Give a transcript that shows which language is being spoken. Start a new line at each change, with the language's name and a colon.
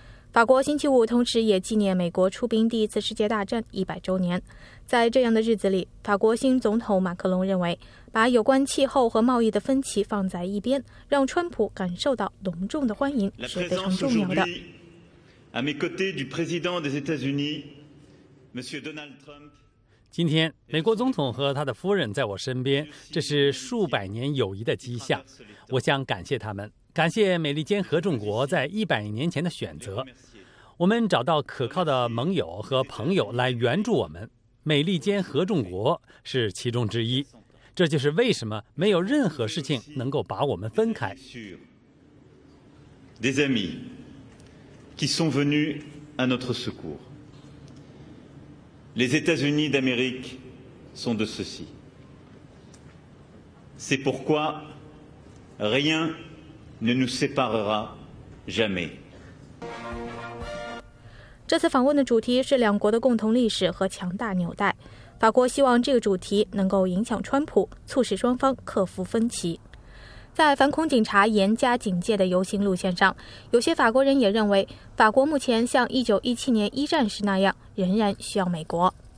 Chinese: 法国星期五同时也纪念美国出兵第一次世界大战100周年。在这样的日子里，法国新总统马克龙认为，把有关气候和贸易的分歧放在一边，让川普感受到隆重的欢迎是非常重要的。
French: À mes côtés du président des États-Unis, Monsieur Donald Trump。
Chinese: 今天美国总统和他的夫人在我身边，这是数百年友谊的迹象。我想感谢他们，感谢美利坚合众国在100年前的选择。我们找到可靠的盟友和朋友来援助我们，美利坚合众国是其中之一。这就是为什么没有任何事情能够把我们分开。
French: Des amis qui sont venus à notre secours. Les États-Unis d'Amérique sont de ceci. C'est pourquoi rien ne nous séparera jamais.
Chinese: 这次访问的主题是两国的共同历史和强大纽带。法国希望这个主题能够影响川普，促使双方克服分歧。在反恐警察严加警戒的游行路线上，有些法国人也认为，法国目前像1917年一战时那样，仍然需要美国。